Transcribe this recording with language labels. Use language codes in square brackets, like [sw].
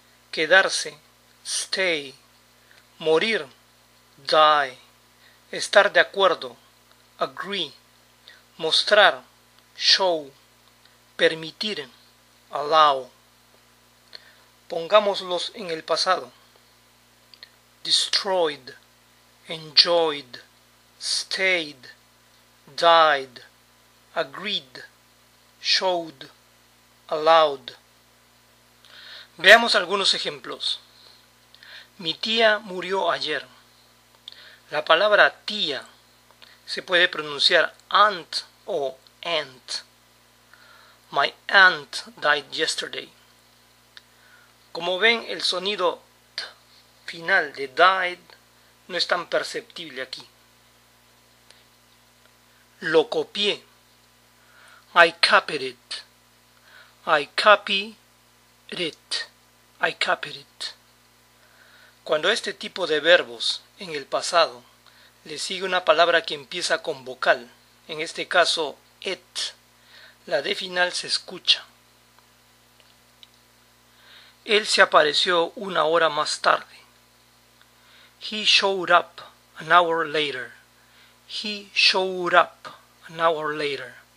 [es] Quedarse, stay. Morir, die. Estar de acuerdo, agree. Mostrar, show. Permitir, allow. Pongámoslos en el pasado. [en] Destroyed, enjoyed, stayed, died, agreed, showed, allowed. [es] Veamos algunos ejemplos. Mi tía murió ayer. La palabra tía se puede pronunciar aunt o aunt. [en] My aunt died yesterday. [es] Como ven, el sonido t final de died no es tan perceptible aquí. Lo copié. [en] I copied it. I copied it. I copied it. [es] Cuando este tipo de verbos en el pasado le sigue una palabra que empieza con vocal, en este caso it, la d final se escucha. Él se apareció una hora más tarde. [en] He showed up an hour later. He showed up an hour later.